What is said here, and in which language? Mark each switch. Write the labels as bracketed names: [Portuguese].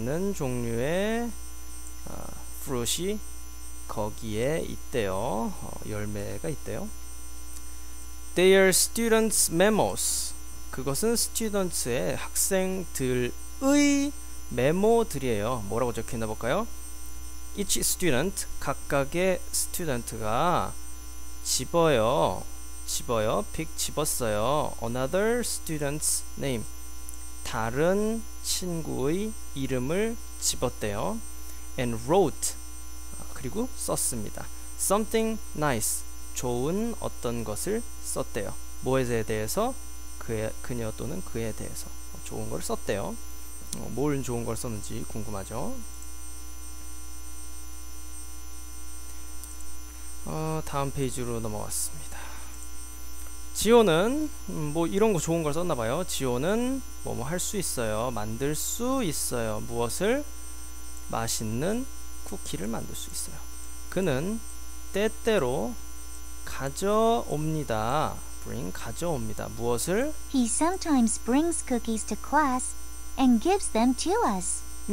[Korean] 많은 종류의 fruit이 거기에 있대요. 열매가 있대요. [English] They are students' memos. [Korean] 그것은 students의 학생들의 메모들이에요. 뭐라고 적혀있나 볼까요? [English] Each student, [Korean] 각각의 student가 집어요. [English] pick [Korean] 집었어요. [English] Another student's name. [Korean] 다른 친구의 이름을 집었대요. [English] And wrote. [Korean] 그리고 썼습니다. [English] Something nice. [Korean] 좋은 어떤 것을 썼대요. 무엇에 대해서? 그녀 또는 그에 대해서 좋은 걸 썼대요. 뭘 좋은 걸 썼는지 궁금하죠? 다음 페이지로 넘어왔습니다. 지호는 뭐 이런 거 좋은 걸 썼나 봐요. 지호는 뭐뭐 할수 있어요. 만들 수 있어요. 무엇을? 맛있는 쿠키를 만들 수 있어요. 그는 때때로 가져옵니다. bring 가져옵니다. 무엇을? [English] He sometimes brings cookies to class and gives them to us.